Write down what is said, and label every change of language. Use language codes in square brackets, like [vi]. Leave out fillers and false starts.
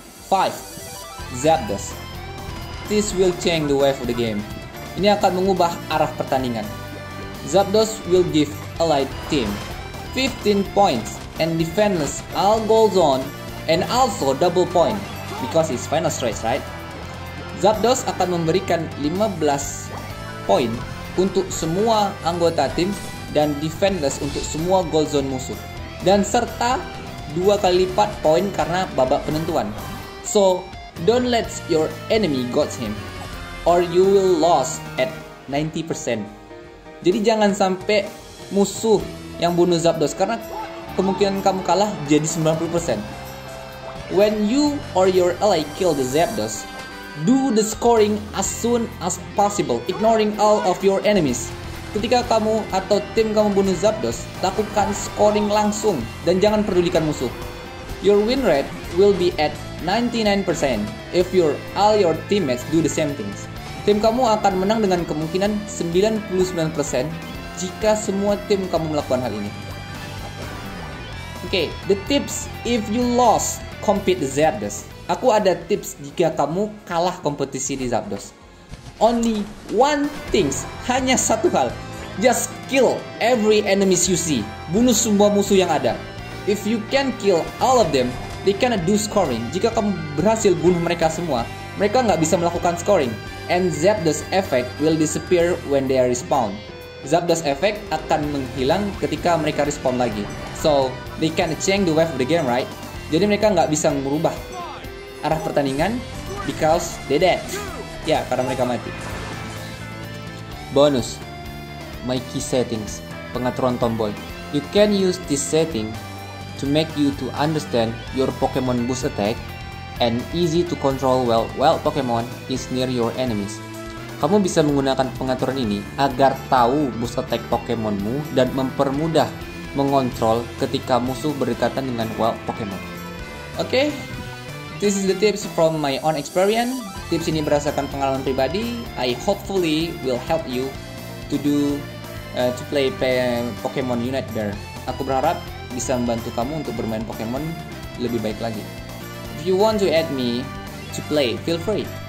[en] 5. Zapdos. This will change the way of the game. [id] Ini akan mengubah arah pertandingan. [en] Zapdos will give allied team 15 points and defendless all goal zone and also double point because it's final stretch, right? [id] Zapdos akan memberikan 15 poin untuk semua anggota tim dan defendless untuk semua goal zone musuh dan serta 2 kali lipat poin karena babak penentuan. [en] So, don't let your enemy got him or you will lose at 90%. [id] Jadi jangan sampai musuh yang bunuh Zapdos karena kemungkinan kamu kalah jadi 90%. [en] When you or your ally kill the Zapdos, do the scoring as soon as possible, ignoring all of your enemies. [id] Ketika kamu atau tim kamu bunuh Zapdos, lakukan scoring langsung dan jangan pedulikan musuh. [en] Your win rate will be at 99% if your all your teammates do the same things. [id] Tim kamu akan menang dengan kemungkinan 99% jika semua tim kamu melakukan hal ini. [en] Okay, the tips if you lost, compete the Zapdos. [id] Aku ada tips jika kamu kalah kompetisi di Zapdos. [en] Only one things, [id] hanya satu hal. [en] Just kill every enemies you see. [id] Bunuh semua musuh yang ada. [en] If you can kill all of them, they cannot do scoring. [id] Jika kamu berhasil bunuh mereka semua, mereka nggak bisa melakukan scoring. [en] And Zapdos effect will disappear when they respawn. [id] Zapdos effect akan menghilang ketika mereka respawn lagi. [en] So, they can't change the wave of the game, right? [id] Jadi mereka nggak bisa merubah arah pertandingan [en] because they dead. [id] Ya, karena mereka mati. [en] Bonus, my key settings, [id] pengaturan tombol. [en] You can use this setting to make you to understand your Pokemon boost attack and easy to control while Pokemon is near your enemies. [id] Kamu bisa menggunakan pengaturan ini agar tahu boost attack Pokemonmu dan mempermudah mengontrol ketika musuh berdekatan dengan wild Pokemon. [en] Okay, this is the tips from my own experience. [id] Tips ini berdasarkan pengalaman pribadi. [en] I hopefully will help you to play Pokemon Unite Bear. [id] Aku berharap bisa membantu kamu untuk bermain Pokemon lebih baik lagi. [en] If you want to add me to play, feel free.